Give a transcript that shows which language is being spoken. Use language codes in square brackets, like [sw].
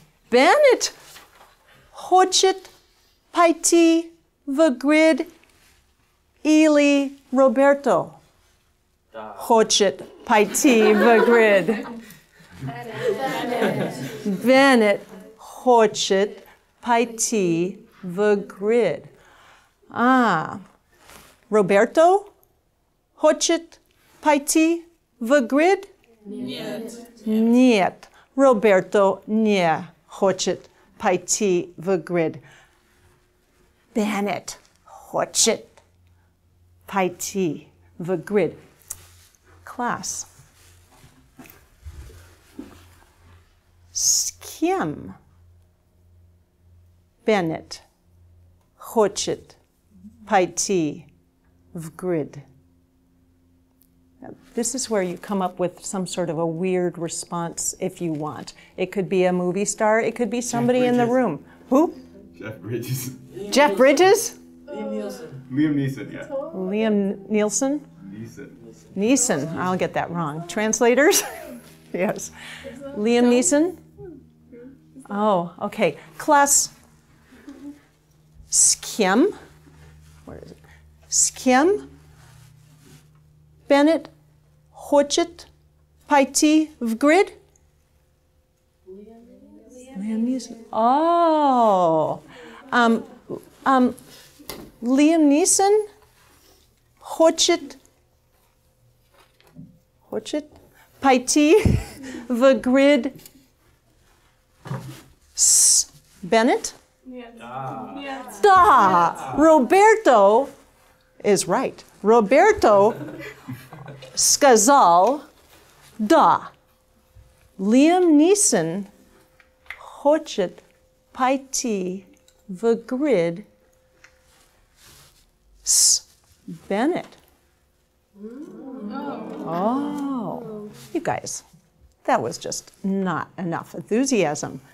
[ru] Bennett хочет пойти в grid или Роберто хочет пойти в grid. Bennett хочет пойти в grid. Ah, Roberto хочет пойти в grid? Нет. Roberto не хочет пойти в grid. Bennett хочет пойти в grid. Класс. С кем Bennett хочет пойти в grid? [en] Now, this is where you come up with some sort of a weird response if you want. It could be a movie star. It could be somebody in the room. Who? Jeff Bridges? Liam Neeson. Neeson. I'll get that wrong. Translators? Yes. Liam Neeson? Oh, okay. Klaus. Skim? Where is it? Skim? Bennett? [ru] Хочет пойти в grid? Liam Neeson. Oh. Liam Neeson хочет пойти в grid с Bennett? Нет. Да. [en] Roberto is right. [ru] Roberto сказал да. Liam Neeson хочет пойти в grid с Bennett. [en] Oh, you guys, that was just not enough enthusiasm.